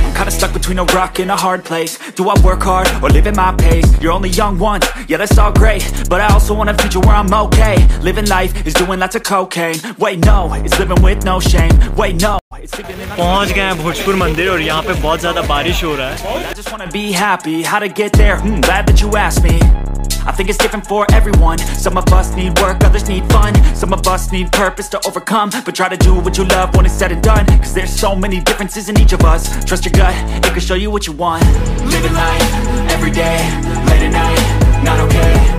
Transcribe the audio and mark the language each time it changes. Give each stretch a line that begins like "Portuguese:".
English: Stuck between a rock and a hard place. Do I work hard or live at my pace? You're only young once, yeah, that's all great. But I also want a future where I'm okay. Living life is doing lots of cocaine. Wait, no, it's living with no shame. Wait, no.
Hindi: पहुंच गए हैं भोजपुर मंदिर, और यहाँ पे बहुत ज्यादा बारिश हो रहा है।
English: I just wanna be happy. How to get there? Glad that you asked me. I think it's different for everyone. Some of us need work, others need fun. Some of us need purpose to overcome. But try to do what you love when it's said and done. Cause there's so many differences in each of us. Trust your gut, it can show you what you want. Living life, every day, late at night, not okay.